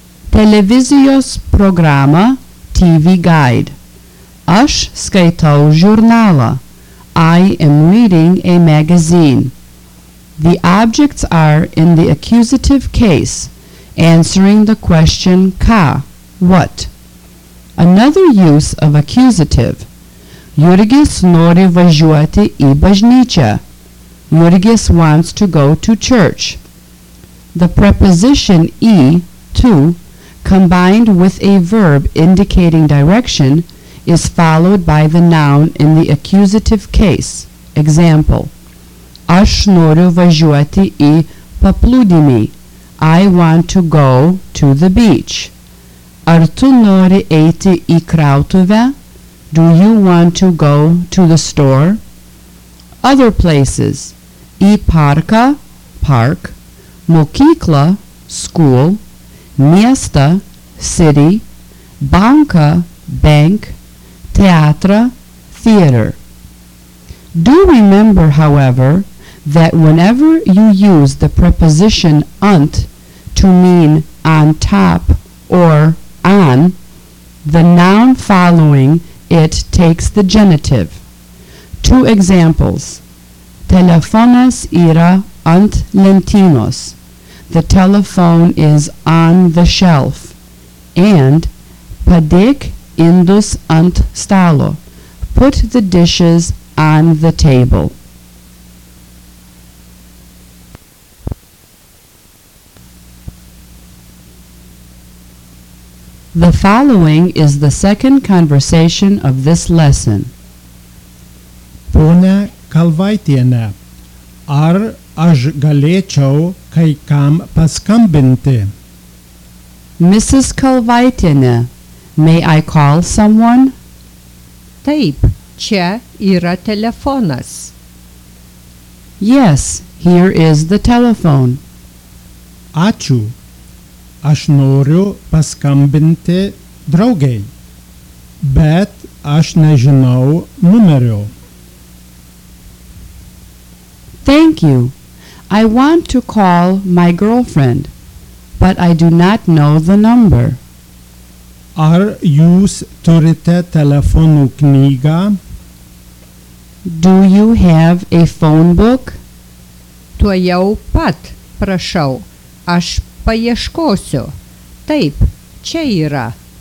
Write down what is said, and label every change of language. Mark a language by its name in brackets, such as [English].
[Lithuanian] Televizijos programa, [English] TV guide. [Lithuanian] Aš skaitau žurnalą. [English] I am reading a magazine. The objects are in the accusative case, answering the question ką, what. Another use of accusative. [Lithuanian] Jurgis nori važiuoti į bažnyčią. [English] Jurgis wants to go to church. The preposition į, to, combined with a verb indicating direction, is followed by the noun in the accusative case. [Lithuanian] Example, aš noriu važiuoti į paplūdimį. [English] I want to go to the beach. [Lithuanian] Ar tu nori eiti į krautuvę? [English] Do you want to go to the store? Other places, į parką, park, mokyklą, school, miestą, city, banką, bank, teatrą, theater. Do remember, however, that whenever you use the preposition ant to mean on top or on, the noun following it takes the genitive. Two examples. [Lithuanian] Telefonas yra ant lentynos. [English] The telephone is on the shelf. And [Lithuanian] padėk indus ant stalo. [English] Put the dishes on the table. The following is the second conversation of this lesson. [Lithuanian] Ponia Kalvaitiene, ar aš galėčiau kai kam paskambinti? [English] Mrs. Kalvaitiene, may I call someone? [Lithuanian] Taip, čia yra telefonas. [English] Yes, here is the telephone. [Lithuanian] Ačiū. Aš noriu paskambinti draugei, bet aš nežinau numerio. [English] Thank you. I want to call my girlfriend, but I do not know the number. [Lithuanian] Ar jūs turite telefonų knygą? [English] Do you have a phone book? [Lithuanian] Tuojau pat, prašau, aš paieškosiu. Taip, čia yra.